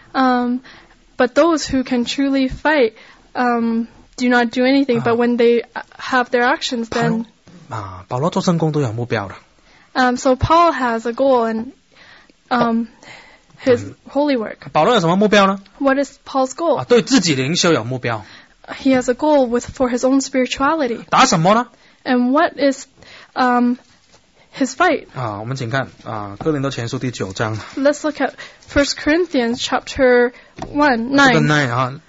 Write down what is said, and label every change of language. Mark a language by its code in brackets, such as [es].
[en] But those who can truly fight, do not do anything. But when they have their actions, then. [zh] 保罗做圣工都有目标的。 [en] So Paul has a goal and his holy work. [zh] 保罗有什么目标呢 [en] ？What is Paul's goal? [zh] 对自己灵修有目标。 [en] He has a goal with for his own spirituality. [zh] 打什么呢 [en] ？And what is His fight. [zh] 我们请看哥林多前书第九章。 [en] Let's look at 1 Corinthians chapter 9.